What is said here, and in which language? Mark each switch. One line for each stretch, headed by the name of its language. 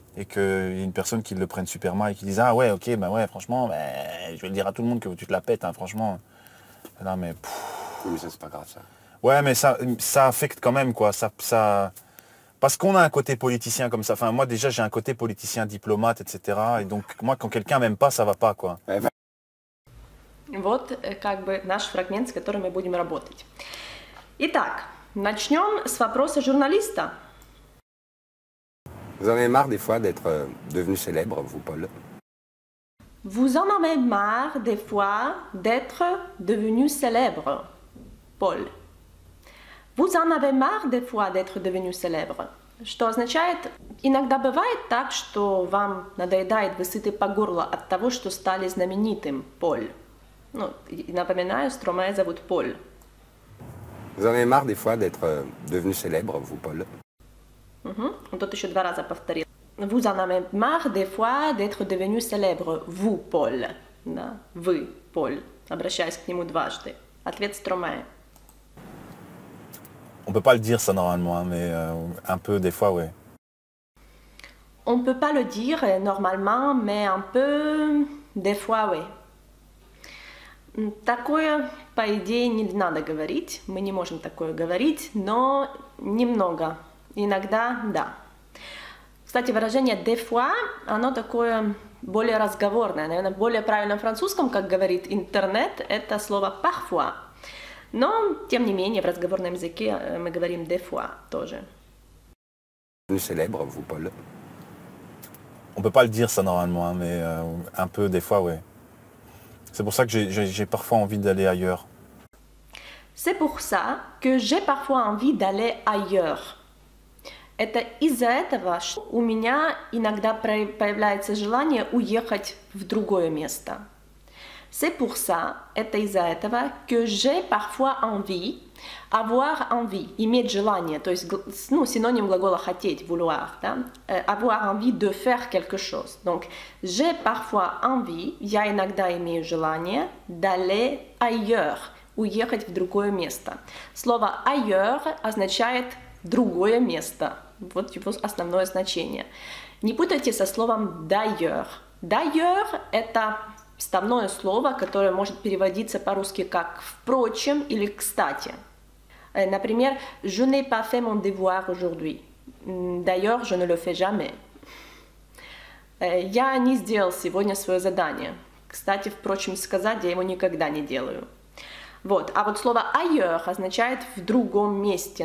French: Et qu'il y ait une personne qui le prenne super mal et qui dise « Ah ouais, ok, bah ouais, franchement, bah, je vais le dire à tout le monde que tu te la pètes, hein, franchement. » Non, mais... Oui, mais ça, c'est pas grave, ça. Ouais, mais ça affecte quand même, quoi. Ça... Parce qu'on a un côté politicien comme ça. Enfin, moi, déjà, j'ai un côté politicien, diplomate, etc. Et donc, moi, quand quelqu'un m'aime pas, ça va pas, quoi.
Russian: Вот, как бы, наш фрагмент, с которым мы будем работать. Итак, начнем с вопроса журналиста.
French: Vous en avez marre des fois d'être devenu célèbre, vous, Paul ? Vous en avez marre des fois d'être devenu célèbre, Paul. Vous en avez marre des fois d'être devenu célèbre.
Russian: Что означает, иногда бывает так, что вам надоедает, вы сыты по горло от того, что стали знаменитым, Paul. Ну, напоминаю, Стромае зовут Paul.
French: Vous en avez marre des fois d'être devenu célèbre, vous, Paul. Угу.
Russian: Тут еще два раза повторил.
French: Vous en avez marre des fois d'être devenu célèbre, vous, Paul.
Russian: Да. Вы,
French: Paul.
Russian: обращаясь к нему дважды. Ответ Стромае.
French: On peut pas le dire ça normalement, mais un peu des fois, oui. On peut pas le dire normalement, mais un peu des fois, oui.
Russian: Такое, по идее, не надо говорить. Мы не можем такое говорить, но немного. Иногда – да. Кстати, выражение «des fois» – оно такое более разговорное. Наверное, более правильно в французском, как говорит интернет, это слово «parfois». Но, тем не менее, в разговорном языке мы говорим «des fois» тоже.
French: Не célèbre, vous, Paul. On peut pas le dire, ça, normalement, mais un peu «des fois», oui. C'est pour ça que j'ai parfois envie d'aller ailleurs. C'est pour ça que j'ai parfois envie d'aller ailleurs.
Russian: Это из-за этого, что у меня иногда появляется желание уехать в другое место.
French: C'est pour ça,
Russian: это из-за этого,
French: que j'ai parfois envie, avoir envie,
Russian: иметь желание, то есть, ну, синоним глагола хотеть, vouloir, да?
French: Avoir envie de faire quelque chose. Donc, j'ai parfois envie,
Russian: я иногда имею желание,
French: d'aller ailleurs,
Russian: уехать в другое место. Слово ailleurs означает другое место. Вот его основное значение. Не путайте со словом d'ailleurs. D'ailleurs – это вставное слово, которое может переводиться по-русски как «впрочем» или «кстати».
French: Например, «Je n'ai pas fait mon devoir aujourd'hui». «D'ailleurs, je ne le fais jamais».
Russian: «Я не сделал сегодня свое задание». Кстати, впрочем, сказать я его никогда не делаю. Вот. А вот слово «ailleurs» означает «в другом месте».